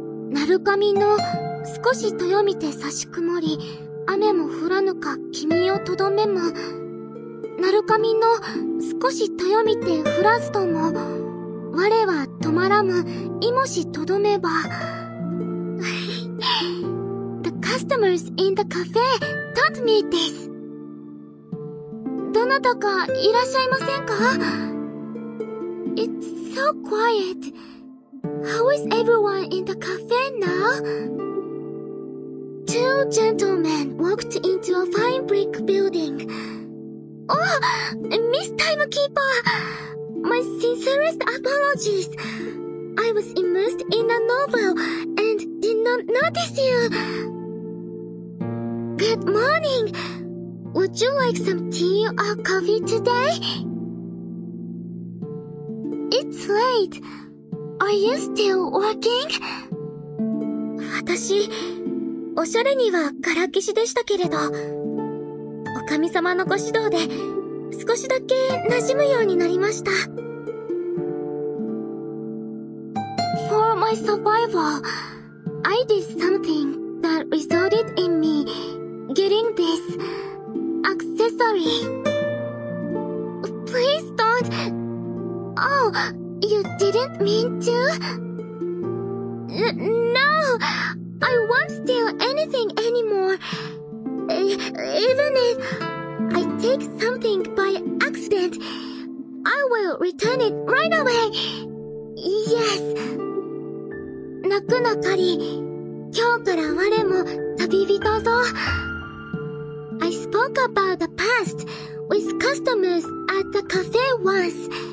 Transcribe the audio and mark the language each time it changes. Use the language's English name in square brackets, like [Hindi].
[Japanese] 鳴る神の少しとよみて差し曇り、雨も降らぬか君をとどめも。鳴る神の少しとよみて降らずとも、我は止まらむ、いもしとどめば。 [English] The customers in the cafe taught me this. [Japanese] どなたかいらっしゃいませんか? [English] It's so quiet. How is everyone in the cafe now? Two gentlemen walked into a fine brick building. Oh, Miss Timekeeper! My sincerest apologies. I was immersed in a novel and did not notice you. Good morning! Would you like some tea or coffee today? It's late. Are you still working? [Japanese] 私、おしゃれにはからっきしでしたけれど、おかみさまのご指導で少しだけ馴染むようになりました。 [English] For my survival, I did something that resulted in me getting this. Accessory. Please don't. Oh, you didn't mean to? No, I won't steal anything anymore. Even if I take something by accident, I will return it right away. Yes. [Japanese] 泣くなかり、今日から我も旅人ぞ。 [English] I spoke about the past with customers at the cafe once.